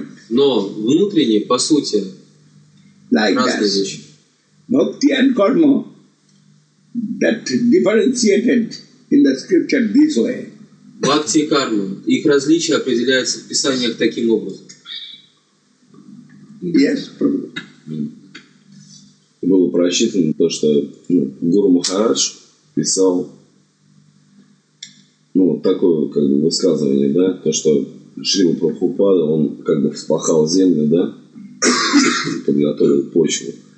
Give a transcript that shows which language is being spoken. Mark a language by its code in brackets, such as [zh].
[ru] Но внутренне, по сути, разные вещи. [en] Bhakti and karma that differentiated in the scripture this way. [ru] Бхакти и карма, их различия определяются в писаниях таким образом. [en] Yes, Prabhu. [ru] Было просчитано то, что Гуру Махарадж писал такое как бы высказывание, да, то, что Шрила Прабхупада, он как бы вспахал землю, да, подготовил почву.